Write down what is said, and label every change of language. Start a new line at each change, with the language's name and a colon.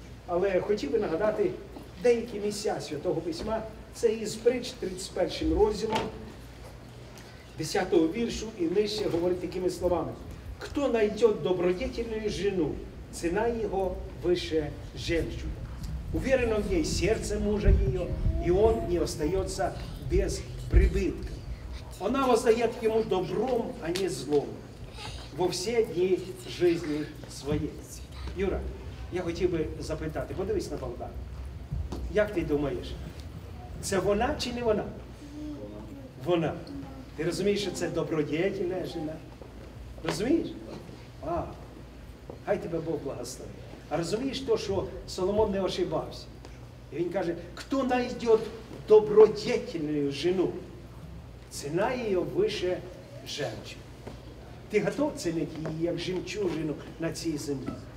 Ukrainian: Але хотів би нагадати деякі місця Святого Письма. Це із притч 31 розділом 10 віршу і нижче говорить такими словами.
Russian: Хто найдет добродетельную жену,
Ukrainian: ціна його вище
Russian: жемчуга. Уверено в ней сердце мужа ее, и он не остается без прибытка. Она воздает ему добром, а не злом, во все дни жизни своей. Юра, я хотел бы запитать,
Ukrainian: подивись на Богдана.
Russian: Как ты думаешь, это вона или не вона? Вона. Ты понимаешь, что это добродетельная жена? Понимаешь? А, хай тебе Бог благословит.
Ukrainian: А розумієш то, що Соломон не ошибався? І він каже, хто знайде добродетельну жену, ціна її вище жемчуга. Ти готов цінити її як жемчужину на цій землі?